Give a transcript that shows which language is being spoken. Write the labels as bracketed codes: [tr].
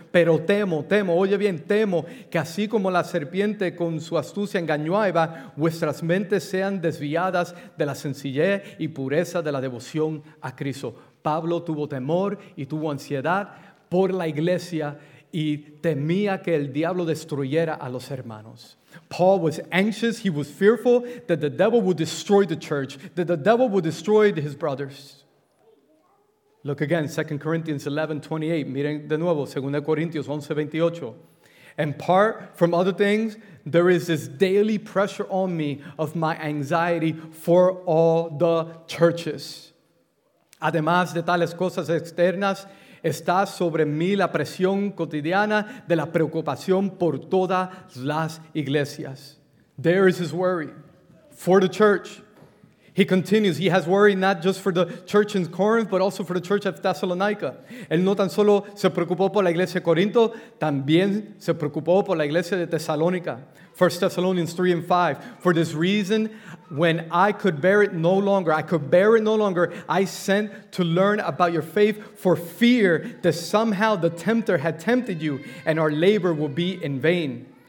[es] Pero temo, oye bien, temo que así como la serpiente con su astucia engañó a Eva, vuestras mentes sean desviadas de la sencillez y pureza de la devoción a Cristo. Pablo tuvo temor y tuvo ansiedad por la iglesia y temía que el diablo destruyera a los hermanos. [en] Paul was anxious, he was fearful that the devil would destroy the church, that the devil would destroy his brothers. Look again, 2 Corinthians 11, 28. [es] Miren de nuevo, [en] 2 Corinthians 11, 28. "In part from other things, there is this daily pressure on me of my anxiety for all the churches. [es] Además de tales cosas externas, está sobre mí la presión cotidiana de la preocupación por todas las iglesias." [en] There is his worry for the church. He continues, he has worry not just for the church in Corinth, but also for the church of Thessalonica. [es] Él no tan solo se preocupó por la iglesia de Corinto, también se preocupó por la iglesia de Tesalónica. [en] 1 Thessalonians 3 and 5, "For this reason, when I could bear it no longer, I sent to learn about your faith for fear that somehow the tempter had tempted you and our labor would be in vain."